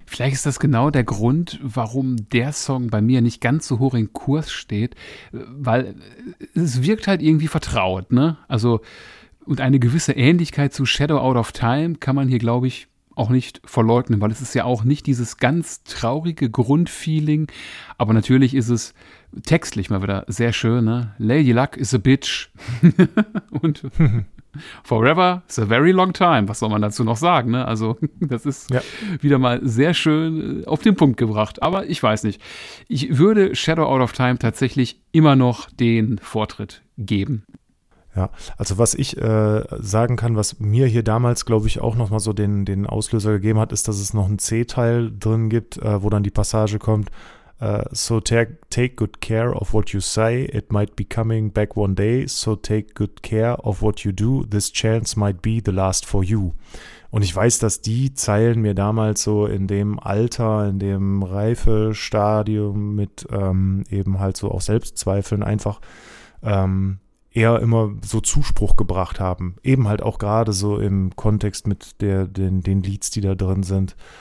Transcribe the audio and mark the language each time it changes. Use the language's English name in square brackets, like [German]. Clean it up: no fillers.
[German] Vielleicht ist das genau der Grund, warum der Song bei mir nicht ganz so hoch in Kurs steht, weil es wirkt halt irgendwie vertraut, ne? Also und eine gewisse Ähnlichkeit zu Shadow Out of Time kann man hier, glaube ich, auch nicht verleugnen, weil es ist ja auch nicht dieses ganz traurige Grundfeeling, aber natürlich ist es textlich mal wieder sehr schön, ne? [English] Lady Luck is a bitch. Und Forever is a very long time. [German] Was soll man dazu noch sagen? Ne? Also, das ist ja wieder mal sehr schön auf den Punkt gebracht. Aber ich weiß nicht. Ich würde Shadow Out of Time tatsächlich immer noch den Vortritt geben. Ja, also was ich sagen kann, was mir hier damals, glaube ich, auch noch mal so den Auslöser gegeben hat, ist, dass es noch einen C-Teil drin gibt, wo dann die Passage kommt. [English] So take good care of what you say, it might be coming back one day, so take good care of what you do, this chance might be the last for you. [German] Und ich weiß, dass die Zeilen mir damals so in dem Alter, in dem Reifestadium mit eben halt so auch Selbstzweifeln einfach eher immer so Zuspruch gebracht haben. Eben halt auch gerade so im Kontext mit den Leads, die da drin sind.